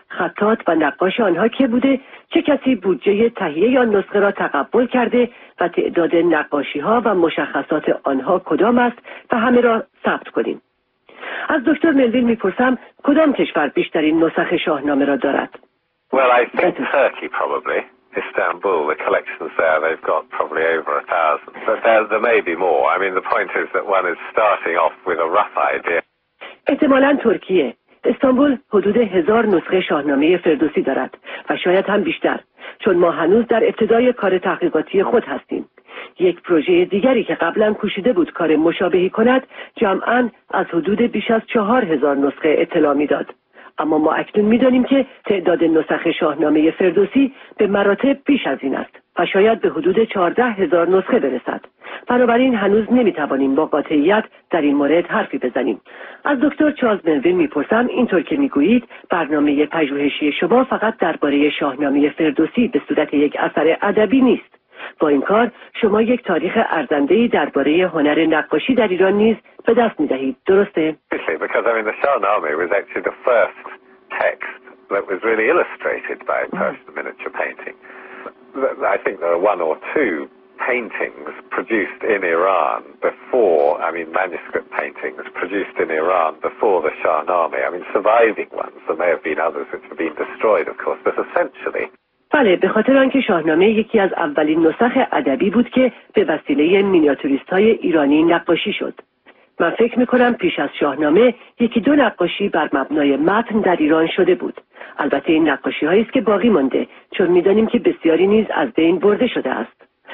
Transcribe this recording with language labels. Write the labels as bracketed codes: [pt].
[fa] خطاط و نقاش آنها که بوده، چه کسی بودجه تهیه یا نسخه را تقبل کرده و تعداد نقاشی ها و مشخصات آنها کدام است و همه را ثبت کنیم. از دکتر ملویل میپرسم کدام کشور بیشترین نسخ شاهنامه را دارد؟ [en] Well, I think Turkey probably. Istanbul, the collections there, they've got probably over 1,000. But there may be more. I mean, the point is that one is starting off with a rough idea. [fa] احتمالاً ترکیه. استانبول حدود 1,000 نسخه شاهنامه فردوسی دارد و شاید هم بیشتر، چون ما هنوز در ابتدای کار تحقیقاتی خود هستیم. یک پروژه دیگری که قبلا کوشیده بود کار مشابهی کند، جمعاً از حدود بیش از 4,000 نسخه اطلاع می‌داد. اما ما اکنون می‌دانیم که تعداد نسخ شاهنامه فردوسی به مراتب بیش از این است و شاید به حدود 14,000 نسخه برسد. بنابراین هنوز نمی‌توانیم با قاطعیت در این مورد حرفی بزنیم. از دکتر چارلز منویل می‌پرسم، اینطور که می‌گویید برنامه پژوهشی شما فقط درباره شاهنامه فردوسی به صورت یک اثر ادبی نیست. با این کار شما یک تاریخ ارزنده‌ای درباره هنر نقاشی در ایران نیز به دست می‌دهید، درسته؟ [en] Because I mean, the Shahnameh was actually the first text that was really illustrated by Persian miniature painting. I think there are one or two paintings produced in Iran before, I mean, manuscript paintings produced in Iran before the Shahnameh. I mean, surviving ones. There may have been others which have been destroyed, of course, but essentially. [fa] بله، به خاطر آنکه شاهنامه یکی از اولین نسخ ادبی بود که به وسیله مینیاتوریست‌های ایرانی نقاشی شد. من فکر می‌کنم پیش از شاهنامه یکی دو نقاشی بر مبنای متن در ایران شده بود. البته این نقاشی‌هایی است که باقی مانده، چون می‌دانیم که بسیاری نیز از بین برده شده است.